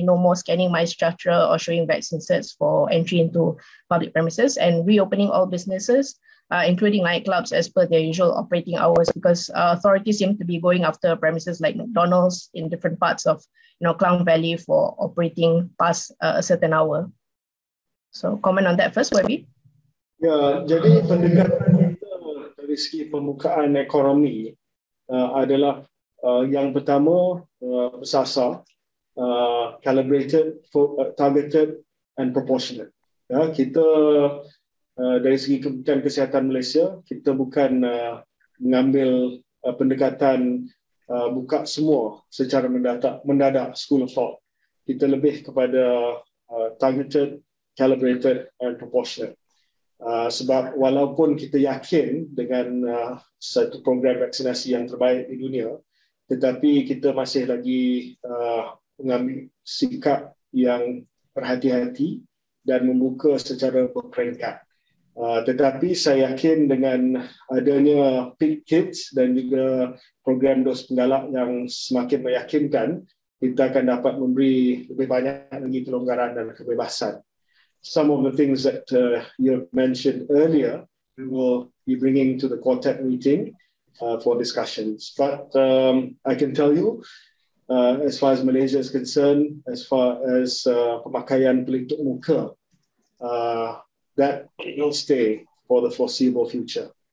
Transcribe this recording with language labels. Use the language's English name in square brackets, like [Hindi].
[English] no more scanning MyStructure or showing vaccine certs for entry into public premises and reopening all businesses? Including nightclubs as per their usual operating hours, because authorities seem to be going after premises like McDonald's in different parts of, you know, Klang Valley for operating past a certain hour. So comment on that first, Webby. [Malay] Yeah, jadi pendekatan kita dari segi pembukaan ekonomi adalah yang pertama bersasar, [English] calibrated, targeted and proportionate. [Malay] Ya, yeah, kita dari segi Kementerian Kesihatan Malaysia, kita bukan mengambil pendekatan buka semua secara mendadak [English] school of thought. [Malay] Kita lebih kepada [English] targeted, calibrated and proportionate. [Malay] Sebab walaupun kita yakin dengan satu program vaksinasi yang terbaik di dunia, tetapi kita masih lagi mengambil sikap yang berhati-hati dan membuka secara berperingkat. Tetapi saya yakin dengan adanya PICKids dan juga program dos penggalak yang semakin meyakinkan, kita akan dapat memberi lebih banyak lagi kelonggaran dan kebebasan. [English] Some of the things that you mentioned earlier, we will be bringing to the quartet meeting for discussions. But I can tell you, as far as Malaysia is concerned, as far as [Malay] pemakaian pelitup muka, [English] that will stay for the foreseeable future.